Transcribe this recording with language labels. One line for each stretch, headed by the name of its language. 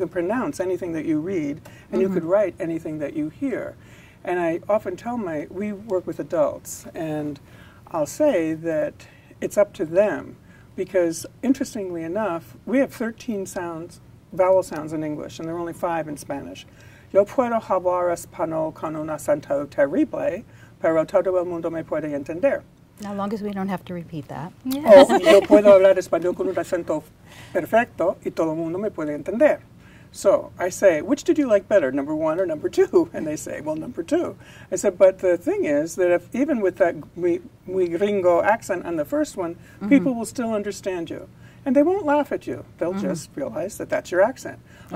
English: You can pronounce anything that you read, and you could write anything that you hear. And I often tell we work with adults, and I'll say that it's up to them, because interestingly enough, we have 13 sounds, vowel sounds in English, and there are only 5 in Spanish.
Spanish: Yo puedo hablar español con un acento terrible, pero todo el mundo me puede entender.
English: Now, as long as we don't have to repeat that. Yes.
Spanish: Oh, yo puedo hablar español con un acento perfecto y todo el mundo me puede entender.
English: So I say, which did you like better, number one or number two? And they say, well, number two. I said, but the thing is that if even with that
Spanish: muy gringo
English: accent on the first one, people will still understand you. And they won't laugh at you. They'll just realize that that's your accent. Okay.